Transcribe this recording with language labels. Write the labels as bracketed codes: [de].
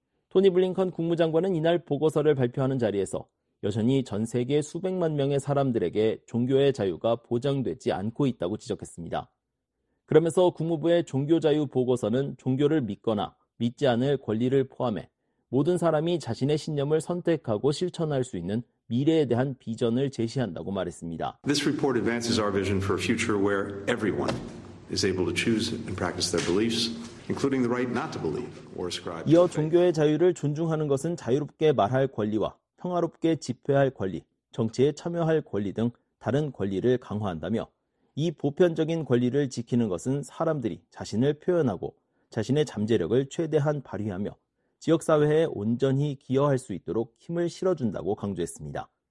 [ko] 토니 블링컨 국무장관은 이날 보고서를 발표하는 자리에서 여전히 전 세계 수백만 명의 사람들에게 종교의 자유가 보장되지 않고 있다고 지적했습니다. 그러면서 국무부의 종교자유 보고서는 종교를 믿거나 믿지 않을 권리를 포함해 모든 사람이 자신의 신념을 선택하고 실천할 수 있는 미래에 대한 비전을 제시한다고 말했습니다. [en] This report advances our vision for a future where everyone is able to choose and practice their beliefs, including the right not to believe or ascribe. [ko] 이어 종교의 자유를 존중하는 것은 자유롭게 말할 권리와 평화롭게 집회할 권리, 정치에 참여할 권리 등 다른 권리를 강화한다며 이 보편적인 권리를 지키는 것은 사람들이 자신을 표현하고 자신의 잠재력을 최대한 발휘하며 지역사회에 온전히 기여할 수 있도록 힘을 실어준다고 강조했습니다.